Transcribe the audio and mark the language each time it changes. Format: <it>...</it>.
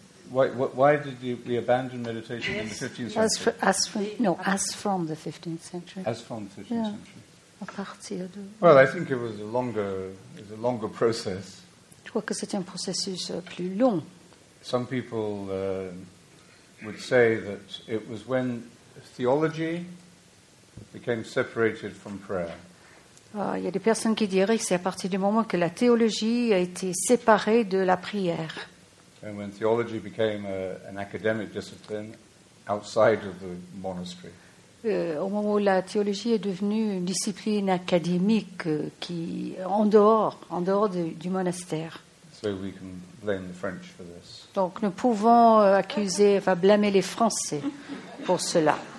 <en>Why did we abandon meditation in the 15th century? As from the 15th century. Well, I think it was a longer process.</en> <fr>Je crois que c'était un processus plus long.</fr> <en>Some people would say that it was when theology became separated from prayer.</en> <fr>Il y a des personnes qui diraient que c'est à partir du moment que la théologie a été séparée de la prière.</fr> <en>And when theology became an academic discipline outside of the monastery.</en> <fr>Au moment où la théologie est devenue une discipline académique qui en dehors du monastère.</fr> <en>So we can blame the French for this.</en> <fr>Donc nous pouvons blâmer les Français pour cela.</fr>